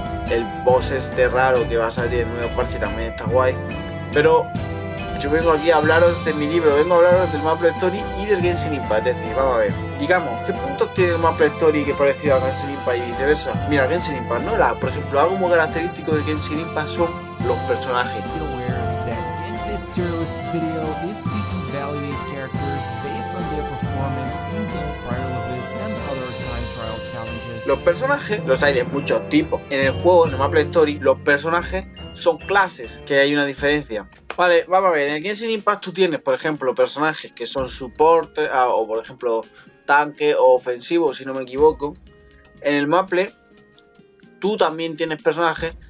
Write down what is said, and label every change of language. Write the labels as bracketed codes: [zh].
[es] El boss este raro que va a salir en nuevo parche también está guay. Pero yo vengo aquí a hablaros de mi libro, vengo a hablaros del MapleStory y del Genshin Impact. Es decir, vamos a ver, digamos, ¿qué puntos tiene el MapleStory que parecido a Genshin Impact y viceversa? Mira, Genshin Impact, ¿no? Por ejemplo, algo muy característico de Genshin Impact son los personajes. [en] Be aware that in this tier list video is to evaluate characters based on their performance in the Spiral Abyss and other time trial challenges. [es] Los personajes los hay de muchos tipos. En el juego, en el MapleStory, los personajes son clases, que hay una diferencia. Vale, vamos a ver, en el Genshin Impact tú tienes, por ejemplo, personajes que son soporte, o por ejemplo, tanque o ofensivo, si no me equivoco. En el Maple, tú también tienes personajes.